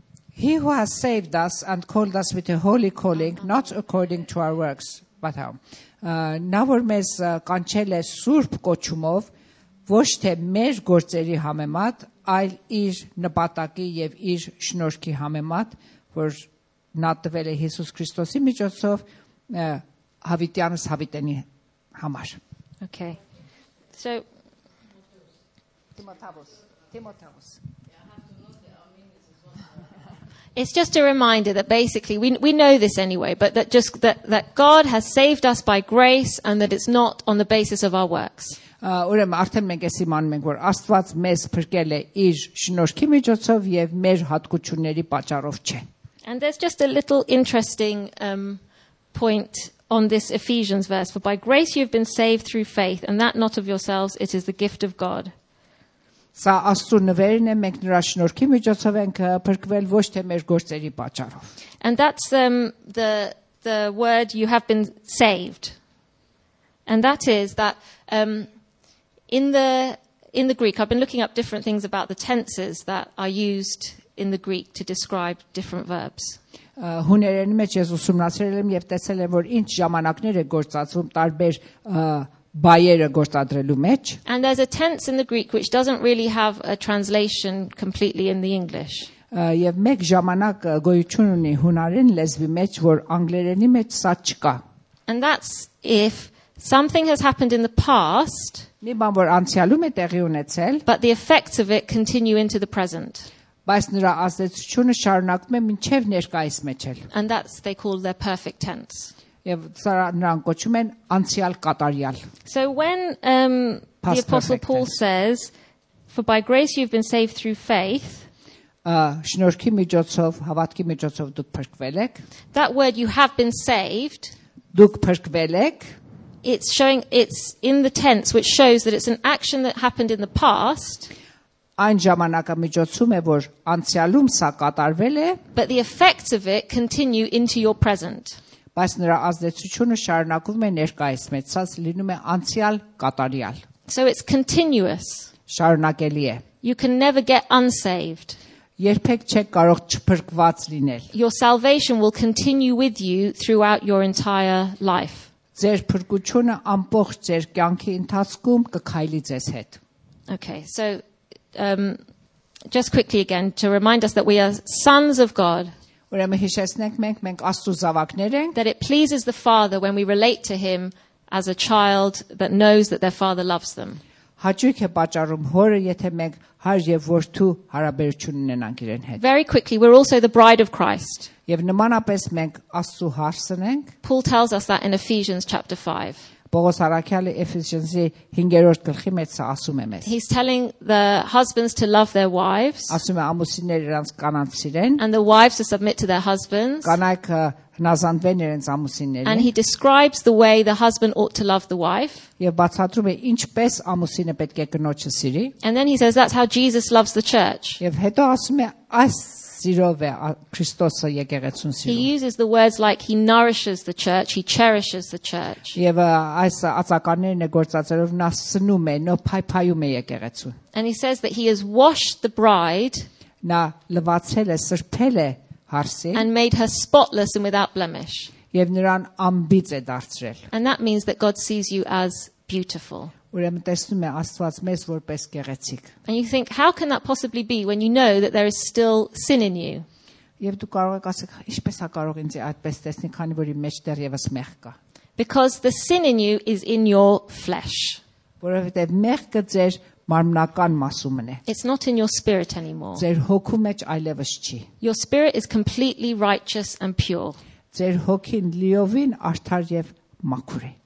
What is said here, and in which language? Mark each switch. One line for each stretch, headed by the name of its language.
English: He who has saved us and called us with a holy calling, not according to our works, but how?
Armenian: Նա որ մեզ կանչել է սուրբ կոչումով ոչ թե մեր գործերի համեմատ, այլ իր նպատակի եւ իր շնորհքի համեմատ, որ նա տվել է Հիսուս Քրիստոսի միջոցով հավիտյանս հավիտենի համար։
English: Okay. So Timotheos. Yeah, I have to note that I mean this is one It's just a reminder that basically we know this anyway, but that just that God has saved us by grace and that it's not on the basis of our works.
Armenian: Ուրեմն արդեն մենք էս իմանում ենք, որ Աստված մեզ փրկել է իր շնորհքի միջոցով եւ մեր հատկությունների պատճառով չէ.
English: And there's just a little interesting point on this Ephesians verse, for by grace you've been saved through faith, and that not of yourselves, it is the gift of God.
Armenian: Սա աստու նվերն է, մենք նրա շնորհքի միջոցով ենք փրկվել ոչ թե մեր գործերի պատճառով.
English: And that's the word you have been saved. And that is that in the Greek, I've been looking up different things about the tenses that are used in the Greek to describe different verbs.
Armenian: Հուներեն մեջ ես ուսումնասիրել եմ եւ տեսել եմ որ ինչ ժամանակներ է գործածվում տարբեր բայերը գործադրելու մեջ.
English: And there's a tense in the Greek which doesn't really have a translation completely in the English.
Armenian: Եվ մեկ ժամանակ գոյություն ունի հունարեն լեզվի մեջ, որ անգլերենի մեջ սա չկա.
English: And that's if something has happened in the past,
Armenian: մի բան որ անցյալում է տեղի ունեցել,
English: but the effects of it continue into the present.
Armenian: Բայց նրա ազդեցությունը շարունակվում է մինչև ներկայիս մեջ էլ.
English: And that's they call their perfect tense.
Armenian: Եվ սա նրան կոչում են անցյալ կատարյալ.
English: So when the apostle Paul says, for by grace you've been saved through faith,
Armenian: շնորհքի միջոցով, հավատքի միջոցով դուք փրկվել եք.
English: That word you have been saved,
Armenian: դուք փրկվել եք.
English: It's showing it's in the tense, which shows that it's an action that happened in the past.
Armenian: Այն ժամանակամիջոցում է, որ անցյալում սա կատարվել է.
English: But the effects of it continue into your present.
Armenian: Բայց նրա ազդեցությունը շարունակվում է ներկայիս մեջ, սա լինում է անցյալ կատարյալ.
English: So it's continuous.
Armenian: Շարունակելի է.
English: You can never get unsaved.
Armenian: Երբեք չեք կարող չփրկված լինել.
English: Your salvation will continue with you throughout your entire life.
Armenian: Ձեր փրկությունը ամբողջ ձեր կյանքի ընթացքում կքայլի ձեզ հետ.
English: Okay, so just quickly again to remind us that we are sons of God.
Armenian: Ուրեմն հիշեցնենք մենք Աստծո զավակներ ենք.
English: That it pleases the Father when we relate to him as a child that knows that their father loves them.
Armenian: Հաճույք է պատճառում հորը, եթե մենք հայր եւ որդու հարաբերություն ունենանք իրեն հետ.
English: Very quickly, we're also the bride of Christ.
Armenian: Եվ նմանապես մենք Աստծո հարսն ենք.
English: Paul tells us that in Ephesians chapter 5.
Armenian: Պողոս հարաքյալը Էֆեսիանցի 5-րդ գլխի մեջ սա ասում է մեզ.
English: He's telling the husbands to love their wives.
Armenian: Ասում է ամուսինները իրենց կանանց սիրեն.
English: And the wives to submit to their husbands.
Armenian: Կանայքը հնազանդվեն իրենց ամուսիններին.
English: And he describes the way the husband ought to love the wife.
Armenian: Եվ բացատրում է ինչպես ամուսինը պետք է կնոջը սիրի.
English: And then he says that's how Jesus loves the church.
Armenian: Եվ հետո ասում է այս սիրով է Քրիստոսը եկեղեցուն սիրում.
English: He uses the words like he nourishes the church, he cherishes the church.
Armenian: Եվ այս ածականներն է գործածելով նա սնում է, նո փայփայում է եկեղեցուն.
English: And he says that he has washed the bride.
Armenian: Նա լվացել է, սրբել է հարսին.
English: And made her spotless and without blemish.
Armenian: Եվ նրան անբիծ է դարձրել.
English: And that means that God sees you as beautiful.
Armenian: Ուրեմն տեսնում է Աստված մեզ որպես գեղեցիկ.
English: And you think how can that possibly be when you know that there is still sin in you?
Armenian: Եվ դու կարող ես ասել, ինչպես է կարող ինձ այդպես տեսնել, քանի որ իմ մեջ դեռևս մեղք կա.
English: Because the sin in you is in your flesh.
Armenian: Որովհետև մեղքը ձեր մարմնական մասումն է.
English: It's not in your spirit anymore.
Armenian: Ձեր հոգու մեջ այլևս չի.
English: Your spirit is completely righteous and pure.
Armenian: Ձեր հոգին լիովին արդար եւ մաքուր է.